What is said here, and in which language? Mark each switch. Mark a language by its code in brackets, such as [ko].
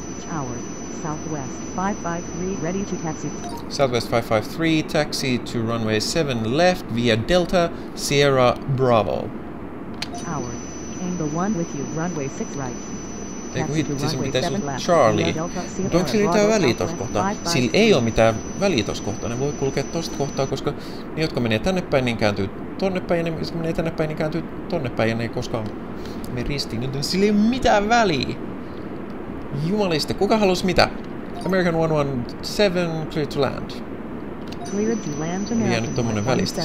[en] Towers, Southwest 553, ready to taxi. Southwest 553, taxi to runway 7 left via Delta Sierra Bravo. Towers, angle 1 with you, runway 6 right. [fi] Ei kun hitti se, mitä sun Charlie. Mutta onko sillä mitään väliä tossa kohtaa? Sillä ei ole mitään väliä tossa kohtaa. Ne voi kulkea tosta kohtaa, koska ne, jotka menee tänne päin, niin kääntyy tonne päin. Ja ne, jotka menee tänne päin, niin kääntyy tonne päin. Ja ne ei koskaan mene ristiin. Joten sillä ei ole mitään väliä. Jumalista, kuka halusi mitä? [en] American 117, clear to land. Cleared to land, American 117.